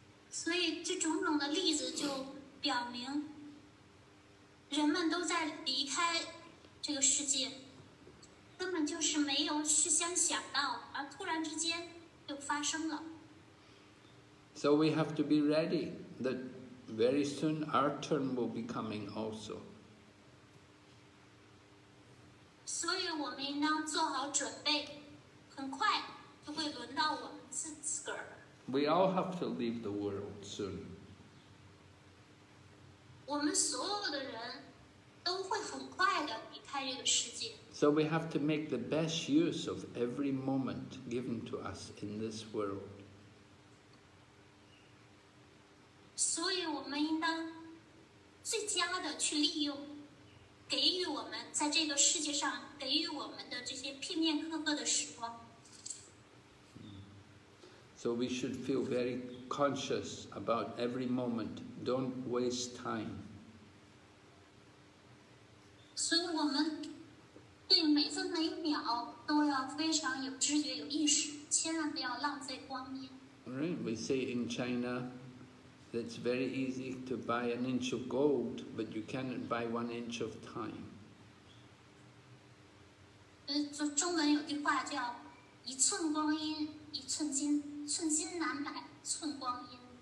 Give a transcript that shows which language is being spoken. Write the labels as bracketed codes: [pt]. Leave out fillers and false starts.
[zh] 所以这种种的例子就表明人们都在离开这个世界，根本就是没有事先想到，而突然之间就发生了。 [en] So we have to be ready that very soon our turn will be coming also. [zh] 所以我们应当做好准备，很快就会轮到我们自个儿。 [en] We all have to leave the world soon. [zh] 我们所有的人都会很快地离开这个世界。 [en] So we have to make the best use of every moment given to us in this world. [zh] 所以我们应当最佳地去利用，给予我们在这个世界上给予我们的这些片片刻刻的时光。 [en] So we should feel very conscious about every moment. Don't waste time. [zh] 所以我们对每分每秒都要非常有知觉、有意识，千万不要浪费光阴。 [en] Right, we say in China, it's very easy to buy an inch of gold, but you cannot buy one inch of time. [zh] 中文有句话叫一寸光阴一寸金，寸金难买寸光阴。